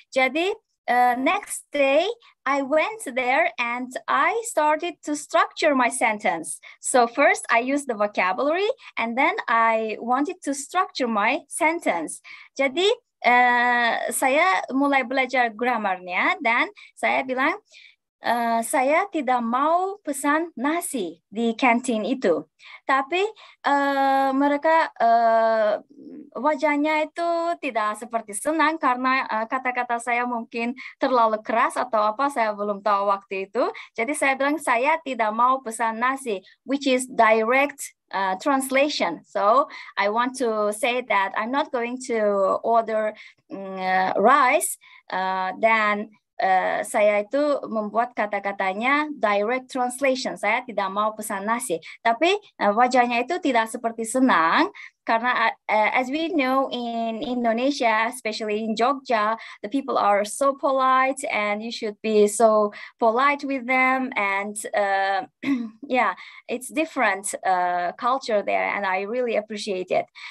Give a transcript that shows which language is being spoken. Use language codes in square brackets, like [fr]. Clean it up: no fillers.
[en] Jadi next day I went there and I started to structure my sentence. So first I used the vocabulary and then I wanted to structure my sentence. [id] Jadi saya mulai belajar gramarnya dan saya bilang saya tidak mau pesan nasi di kantin itu. Tapi mereka wajahnya itu tidak seperti senang karena kata-kata saya mungkin terlalu keras atau apa, saya belum tahu waktu itu. Jadi saya bilang saya tidak mau pesan nasi, [en] which is direct translation. So I want to say that I'm not going to order rice. [id] Then saya itu membuat kata-katanya direct translation. Saya tidak mau pesan nasi. Tapi wajahnya itu tidak seperti senang. [en] Karena as we know in Indonesia, especially in Jogja, the people are so polite and you should be so polite with them. And it's different culture there and I really appreciate it.